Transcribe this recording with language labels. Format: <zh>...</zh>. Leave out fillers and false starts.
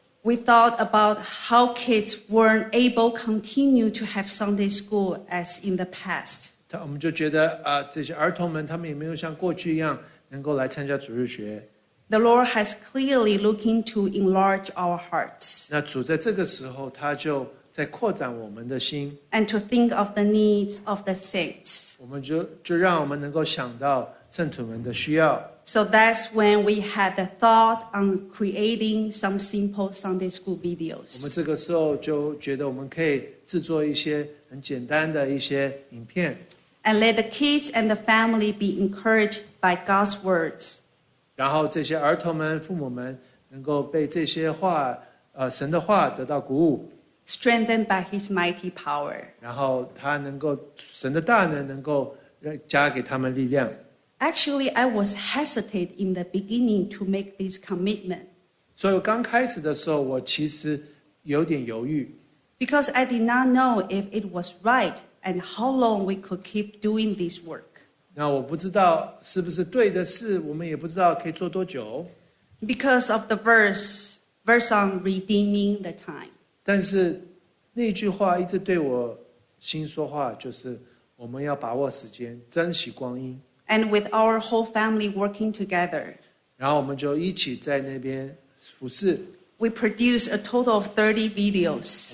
<en>We thought about how kids weren't able continue to have Sunday school as in the past.</en> <zh>我们就觉得这些儿童们他们也没有像过去一样能够来参加主日学。</zh> <en>The Lord has clearly looking to enlarge our hearts.</en> <zh>那主在这个时候他就在扩展我们的心。</zh> <en>And to think of the needs of the saints.</en> <zh>我们就让我们能够想到圣徒们的需要。</zh> <en>So that's when we had the thought on creating some simple Sunday school videos.</en> <zh>我们这个时候就觉得我们可以制作一些很简单的一些影片。</zh> <en>And let the kids and the family be encouraged by God's words.</en> <zh>然后这些儿童们、父母们能够被这些话、神的话得到鼓舞。</zh> <en>Strengthened by His mighty power.</en> <zh>然后他能够神的大能能够加给他们力量。</zh> <en>Actually, I was hesitant in the beginning to make this commitment.</en> <zh>所以刚开始的时候，我其实有点犹豫。</zh> <en>Because I did not know if it was right and how long we could keep doing this work.</en> <zh>那我不知道是不是对的事，我们也不知道可以做多久。</zh> <en>Because of the verse on redeeming the time.</en> <zh>但是那句话一直对我心说话，就是我们要把握时间，珍惜光阴。</zh> <en>And with our whole family working together.</en> <zh>然后我们就一起在那边服事。</zh> <en>We produce a total of 30 videos.</en>